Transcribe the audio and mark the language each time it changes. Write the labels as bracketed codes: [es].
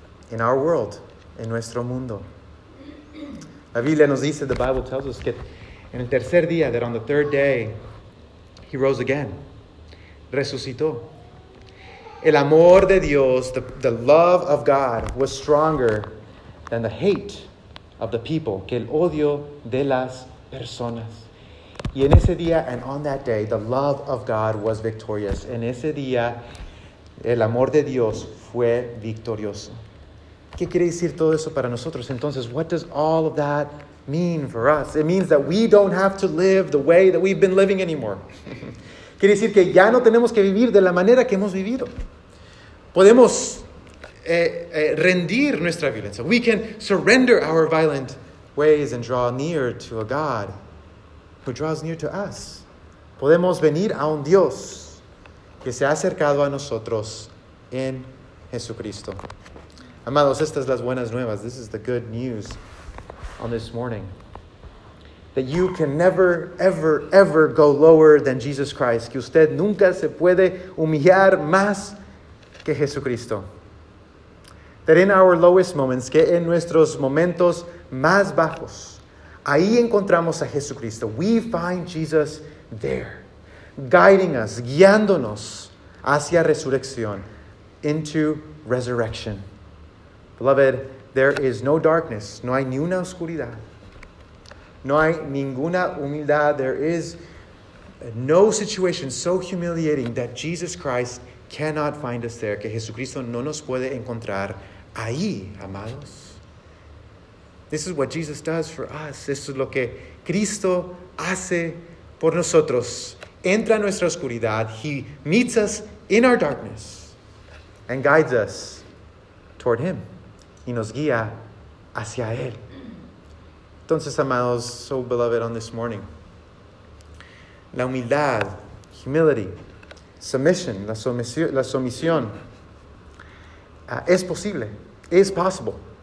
[en] in our world, [es] en nuestro mundo. La Biblia nos dice, [en] the Bible tells us that [es] en el tercer día, [en] that on the third day, he rose again. [es] Resucitó. El amor de Dios, [en] the love of God, was stronger than the hate of the people, [es] que el odio de las personas. Y en ese día, [en] and on that day, the love of God was victorious. [es] En ese día, el amor de Dios fue victorioso. ¿Qué quiere decir todo eso para nosotros? Entonces, [en] what does all of that mean for us? It means that we don't have to live the way that we've been living anymore. [es] Quiere decir que ya no tenemos que vivir de la manera que hemos vivido. Podemos rendir nuestra violencia. [en] We can surrender our violent ways and draw near to a God who draws near to us. [es] Podemos venir a un Dios que se ha acercado a nosotros en Jesucristo. Amados, estas son las buenas nuevas. [en] This is the good news on this morning. That you can never, ever, ever go lower than Jesus Christ. [es] Que usted nunca se puede humillar más que Jesucristo. [en] That in our lowest moments, [es] que en nuestros momentos más bajos, ahí encontramos a Jesucristo. [en] We find Jesus there, guiding us, [es] guiándonos hacia resurrección, [en] into resurrection. Beloved, there is no darkness, [es] no hay ni una oscuridad. No hay ninguna humildad. [en] There is no situation so humiliating that Jesus Christ cannot find us there. [es] Que Jesucristo no nos puede encontrar ahí, amados. [en] This is what Jesus does for us. [es] Esto es lo que Cristo hace por nosotros. Entra en nuestra oscuridad. [en] He meets us in our darkness and guides us toward Him. [es] Y nos guía hacia Él. Entonces, amados, [en] so beloved on this morning, [es] la humildad, [en] humility, submission, [es] la sumisión, es posible, [en] is possible.